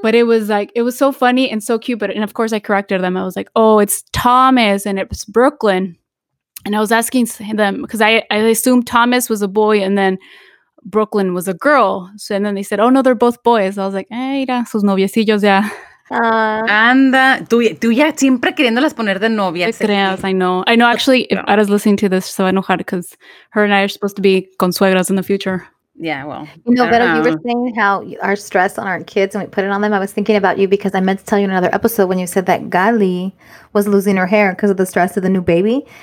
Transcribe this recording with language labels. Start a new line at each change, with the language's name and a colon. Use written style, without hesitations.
English: But it was like, it was so funny and so cute. And of course I corrected them. I was like, oh, it's Thomas and it's Brooklyn. And I was asking them, because I assumed Thomas was a boy and then Brooklyn was a girl. So, and then they said, oh no, they're both boys. I was like,
Spanish: ay, mira, sus noviecillos ya. Anda, tú ya siempre queriéndolas poner de novia.
English: I know, actually, I was listening to this, so I know how to, because her and I are supposed to be consuegras in the future. Yeah, well. You know, Vero, you were saying how our stress on our kids and we put it on them. I was thinking about you because I meant to tell you in another episode when you said that Gali was losing her hair because of the stress of the new baby.